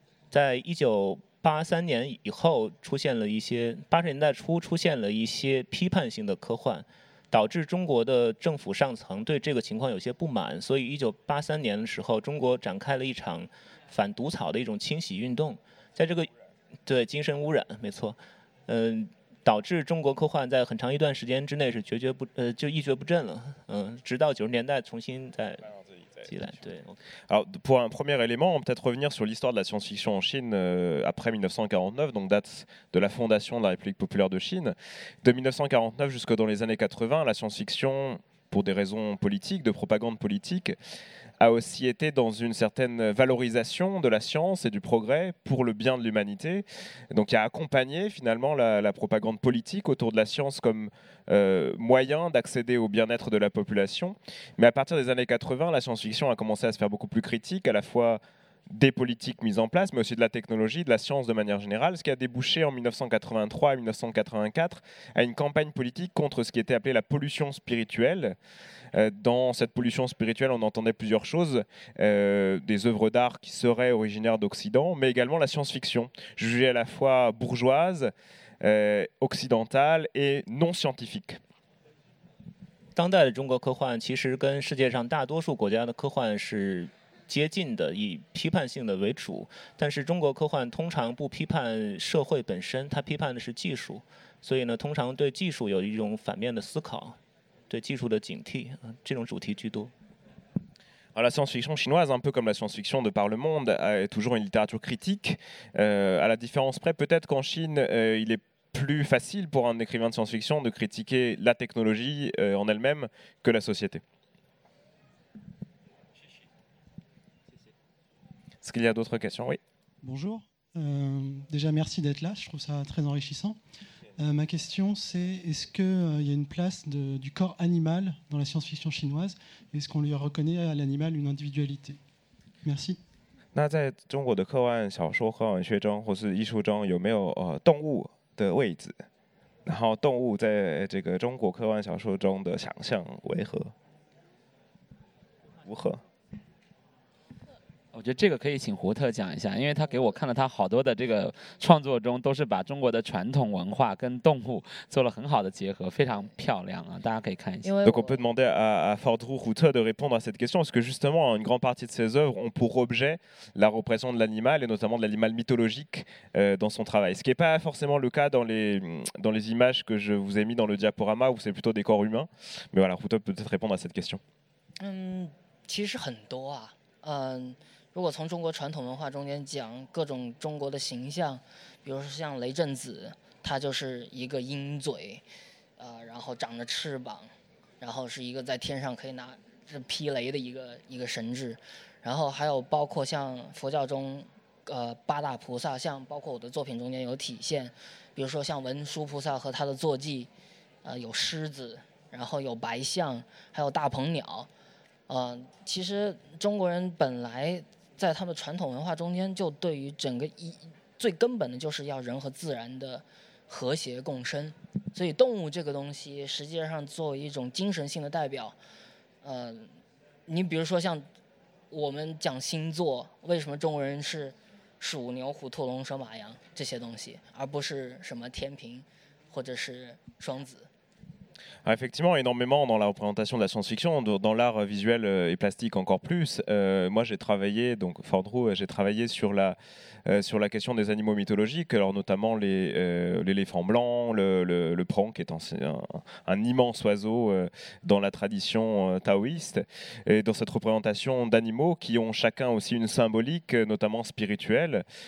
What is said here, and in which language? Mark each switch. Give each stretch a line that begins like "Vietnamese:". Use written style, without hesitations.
Chinese: 在1983年以后，80年代初出现了一些批判性的科幻，导致中国的政府上层对这个情况有些不满，所以1983年的时候，中国展开了一场反毒草的一种清洗运动，在这个对精神污染，没错，导致中国科幻在很长一段时间之内是一蹶不振了，直到90年代重新再。
French: Alors, pour un premier élément, on peut peut-être revenir sur l'histoire de la science-fiction en Chine après 1949, donc date de la fondation de la République populaire de Chine. De 1949 jusque dans les années 80, la science-fiction, pour des raisons politiques, de propagande politique, a aussi été dans une certaine valorisation de la science et du progrès pour le bien de l'humanité. Donc, il a accompagné finalement la propagande politique autour de la science comme moyen d'accéder au bien-être de la population. Mais à partir des années 80, la science-fiction a commencé à se faire beaucoup plus critique, à la fois des politiques mises en place, mais aussi de la technologie, de la science de manière générale, ce qui a débouché en 1983 et 1984 à une campagne politique contre ce qui était appelé la pollution spirituelle. Dans cette pollution spirituelle, on entendait plusieurs choses, des œuvres d'art qui seraient originaires d'Occident, mais également la science-fiction, jugée à la fois bourgeoise, occidentale et non scientifique.
Chinese: 当代的中国科幻其实跟世界上大多数国家的科幻是接近的，以批判性的为主，但是中国科幻通常不批判社会本身，它批判的是技术，所以呢，通常对技术有一种反面的思考，对技术的警惕，这种主题居多。
French: Alors, la science-fiction chinoise, un peu comme la science-fiction de par le monde, est toujours une littérature critique, à la différence près, peut-être qu'en Chine, il est plus facile pour un écrivain de science-fiction de critiquer la technologie en elle-même que la société. Est-ce qu'il y a d'autres questions ? Oui. Bonjour. Déjà, merci d'être là. Je trouve ça très enrichissant. Ma question, c'est est-ce qu'il y a une place du corps animal dans la science-fiction chinoise ? Est-ce qu'on lui reconnaît à l'animal une individualité ? Merci.
Chinese: 那在中国的科幻小说、科幻文学中或是艺术中，有没有动物的位置？然后，动物在这个中国科幻小说中的想象为何？如何？我觉得这个可以请胡特讲一下，因为他给我看了他好多的这个创作中都是把中国的传统文化跟动物做了很好的结合，非常漂亮啊，大家可以看一下。
French: Donc on peut demander à Fordrou Houte de répondre à cette question, parce que justement une grande partie de ses œuvres ont pour objet la représentation de l'animal et notamment de l'animal mythologique dans son travail. Ce qui n'est pas forcément le cas dans les images que je vous ai mis dans le diaporama où c'est plutôt des corps humains. Mais voilà, Houte peut peut-être répondre à cette question.
Chinese: 其实很多啊，如果从中国传统文化中间讲各种中国的形象，比如说像雷震子，他就是一个鹰嘴，然后长着翅膀，然后是一个在天上可以拿着劈雷的一个神智，然后还有包括像佛教中八大菩萨，像包括我的作品中间有体现，比如说像文殊菩萨和他的坐骑，有狮子，然后有白象，还有大鹏鸟，其实中国人本来在他们传统文化中间就对于整个一最根本的就是要人和自然的和谐共生，所以动物这个东西实际上作为一种精神性的代表，你比如说像我们讲星座，为什么中国人是鼠牛虎兔龙蛇马羊这些东西，而不是什么天平或者是双子。
French: Ah, effectivement, énormément dans la représentation de la science-fiction, dans l'art visuel et plastique encore plus. Moi, j'ai travaillé, donc Fordrou, j'ai travaillé sur la question des animaux mythologiques, alors notamment l'éléphant blanc, le pran, qui est un immense oiseau dans la tradition taoïste, et dans cette représentation d'animaux qui ont chacun aussi une symbolique, notamment spirituelle.